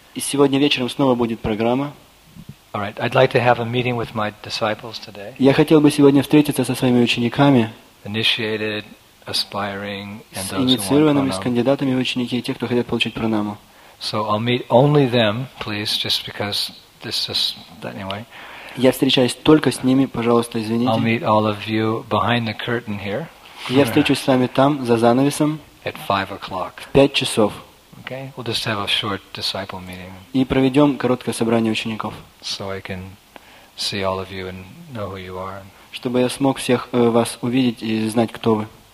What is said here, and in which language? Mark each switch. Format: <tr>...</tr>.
<ru>И сегодня вечером снова будет программа.</ru> <en>All right, I'd like to have a meeting with my disciples today.</en> <ru>Я хотел бы сегодня встретиться со своими учениками.</ru> <en>Initiated, aspiring and those</en> <ru>инициированными, с кандидатами в ученики и те, кто хотят получить пранаму.</ru> <en>So I'll meet only them, please, just because this is anyway.</en> <ru>Я встречаюсь только с ними, пожалуйста, извините.</ru> <en>I'll meet all of you behind the curtain here.</en> <ru>Я встречусь с вами там за занавесом.</ru> <en>At 5 o'clock.</en> <ru>В 5 часов.</ru> <en>Okay. We'll just have a short disciple meeting.</en> <ru>И проведем короткое собрание учеников.</ru> <en>So I can see all of you and know who you are.</en> <ru>Чтобы я смог всех вас увидеть и знать, кто вы.</ru>